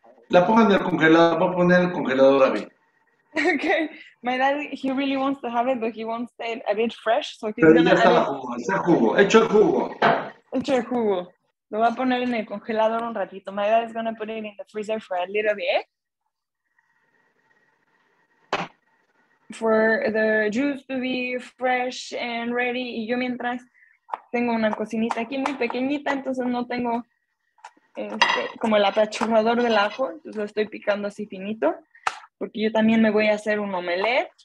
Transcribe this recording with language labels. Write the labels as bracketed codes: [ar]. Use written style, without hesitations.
[es] La pongo en el congelador, voy a poner en el congelador a mí. [en] Okay, my dad, he really wants to have it, but he wants it a bit fresh, so he's going to add [es] Hecho el jugo. Lo va a poner en el congelador un ratito. [en] My dad is going to put it in the freezer for a little bit. for the juice to be fresh and ready. [es] Y yo mientras tengo una cocinita aquí muy pequeñita, entonces no tengo como el apachurrador del ajo, entonces lo estoy picando así finito, porque yo también me voy a hacer un omelette.